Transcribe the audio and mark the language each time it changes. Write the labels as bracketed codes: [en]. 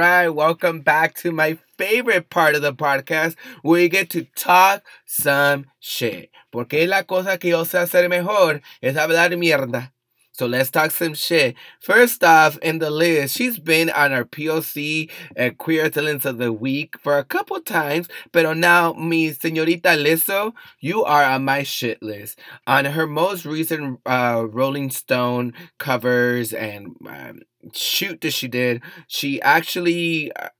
[en] Welcome back to my favorite part of the podcast, where you get to talk some shit. [es] Porque la cosa que yo sé hacer mejor es hablar mierda. [en] So let's talk some shit. First off, in the list, she's been on our POC at Queer Excellence of the Week for a couple times. [es] Pero [en] now, [es] mi señorita [en] Lizzo, you are on my shit list. On her most recent Rolling Stone covers and shoot that she did, she actually